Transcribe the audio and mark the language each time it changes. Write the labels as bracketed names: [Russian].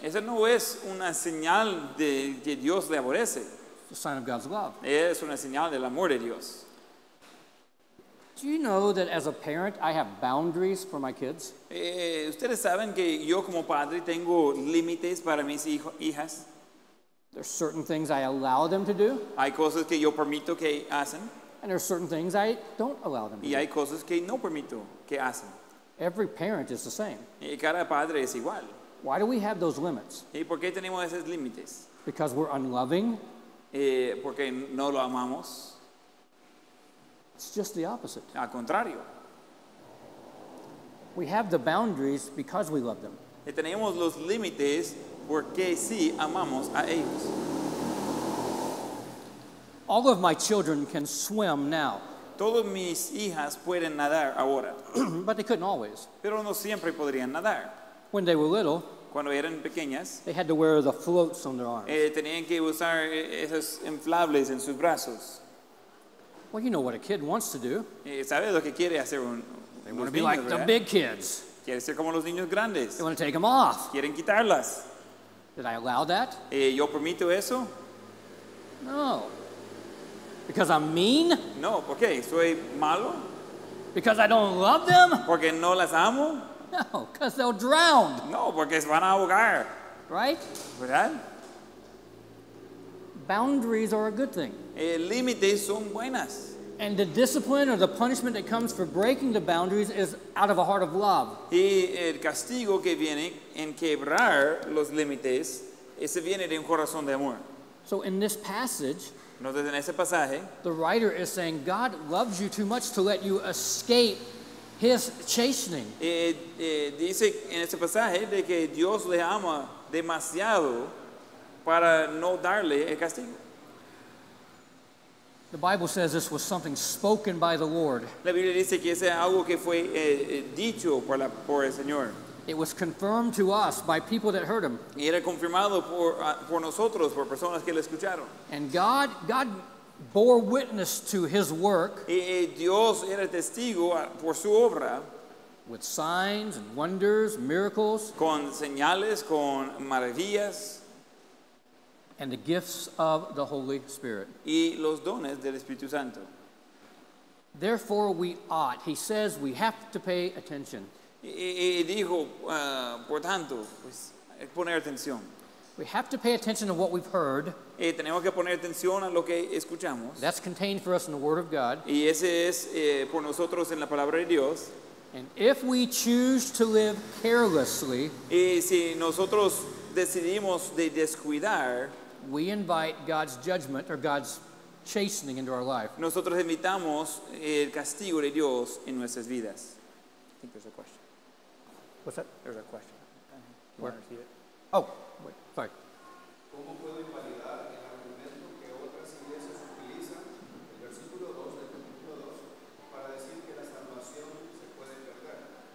[Spanish] Esa no es una señal de que Dios le aborrece. [English] It's a sign of God's love. [Spanish] Es una señal del amor de Dios. [English] Do you know that as a parent, I have boundaries for my kids? [Spanish] ¿Ustedes saben que yo como padre tengo límites para mis hijas? [English] There are certain things I allow them to do. [Spanish] Hay cosas que yo permito que hacen. [English] And there are certain things I don't allow them to do. [Spanish] Y hay cosas que no permito que hacen. [English] Every parent is the same. [Spanish] Y cada padre es igual. [English] Why do we have those limits? [Spanish] ¿Y por qué tenemos esos límites? [English] Because we're unloving. [Spanish] Porque no lo amamos. [English] It's just the opposite. [Spanish] Al contrario. [English] We have the boundaries because we love them. [Spanish] Y tenemos los límites porque sí amamos a ellos. [English] All of my children can swim now. [Spanish] Todas mis hijas pueden nadar ahora. [English] But they couldn't always. [Spanish] Pero no siempre podrían nadar. [English] When they were little, [Spanish] cuando eran pequeñas, [English] they had to wear the floats on their arms. [Spanish] Tenían que usar esos inflables en sus brazos. [English] Well, you know what a kid wants to do. [Spanish] ¿Sabe lo que quiere hacer un, [English] they want to be like, [Spanish] ¿verdad?, [English] the big kids. [Spanish] Quiere ser como los niños grandes. [English] They want to take them off. [Spanish] Quieren quitarlas. [English] Did I allow that? [Spanish] ¿Yo permito eso? [English] No. Because I'm mean? [Spanish] No, ¿por qué? ¿Soy malo? [English] Because I don't love them? [Spanish] ¿Porque no las amo? [English] No, because they'll drown. [Spanish] No, porque se van a ahogar. [English] Right? [Spanish] ¿Verdad? [English] Boundaries are a good thing. [Spanish] Límites son buenas. [English] And the discipline or the punishment that comes for breaking the boundaries is out of a heart of love. [Spanish] Y el castigo que viene en quebrar los límites, ese viene de un corazón de amor. [English] So in this passage, [Spanish] entonces, en ese pasaje, [English] the writer is saying God loves you too much to let you escape his chastening. [Spanish] Dice en ese pasaje de que Dios le ama demasiado para no darle el castigo. [English] The Bible says this was something spoken by the Lord. [Spanish] La Biblia dice que es algo que fue dicho por el Señor. [English] It was confirmed to us by people that heard him. [Spanish] Y era confirmado por nosotros, por personas que lo escucharon. [English] And God bore witness to his work. [Spanish] Y Dios era testigo por su obra. [English] With signs and wonders, miracles. [Spanish] Con señales, con maravillas. [English] And the gifts of the Holy Spirit. [Spanish] Y los dones del Espíritu Santo. [English] Therefore we ought, he says, we have to pay attention. [Spanish] Y dijo, por tanto, pues, poner atención. [English] We have to pay attention to what we've heard. [Spanish] Y tenemos que poner atención a lo que escuchamos. [English] That's contained for us in the Word of God. [Spanish] Y ese es, por nosotros en la palabra de Dios. [English] And if we choose to live carelessly, [Spanish] y si nosotros decidimos de descuidar, [English] we invite God's judgment or God's chastening into our life. [Spanish] Nosotros invitamos el castigo de Dios en nuestras vidas. [English] I think there's a question. What's that? There's a question. Where? You want to see it? Oh, wait, sorry. [Spanish] ¿Cómo puedo invalidar el argumento que otras iglesias utilizan, el versículo 2 del capítulo 2, para decir que la salvación se puede perder?